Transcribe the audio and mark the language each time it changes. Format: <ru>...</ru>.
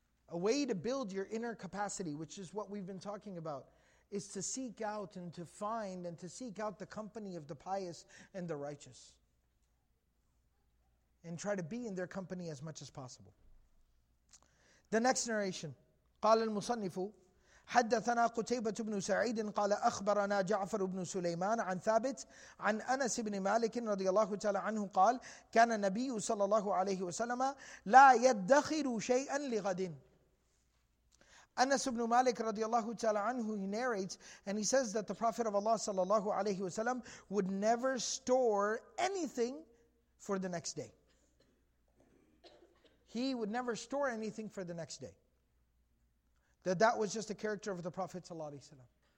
<en>A way to build your inner capacity, which is what we've been talking about, is to seek out and to find and to seek out the company of the pious and the righteous. And try to be in their company as much as possible. The next narration,</en> <ar>قال المصنف حدثنا قتيبة بن سعيد قال أخبرنا جعفر بن سليمان عن ثابت عن أنس بن مالك رضي الله تعالى عنه قال كان النبي صلى الله عليه وسلم لا يدخر شيئا لغد.</ar> <en>Anas ibn Malik radiallahu ta'ala anhu, he narrates and he says that the Prophet of Allah sallallahu alayhi wa sallam would never store anything for the next day. He would never store anything for the next day. That was just the character of the Prophet sallallahu alayhi wa sallam.</en>